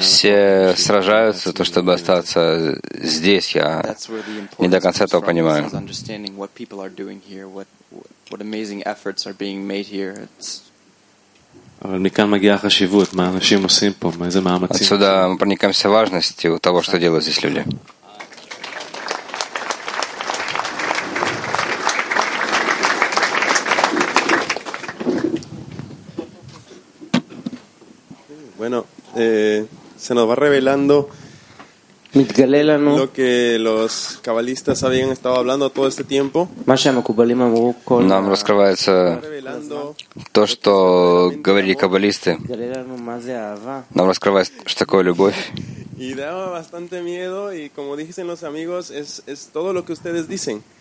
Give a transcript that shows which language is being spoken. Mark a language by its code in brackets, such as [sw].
[ru] все сражаются, то, чтобы остаться здесь, я не до конца этого понимаю. [en] Understanding what people are doing here, what amazing efforts are being made here. [he] אבל מכאן מגיעה חשיבות, מה אנשים עושים פה, מה זה מאמצים. [ru] Отсюда мы проникаемся важностью того, что делают здесь люди. [es] Bueno, se nos va revelando lo que los cabalistas habían estado hablando todo este tiempo. [ru] Нам раскрывается то, что говорили каббалисты. Нам раскрывается, что такое любовь. [es] Y daba bastante miedo y como dicen los amigos, es todo lo que ustedes dicen.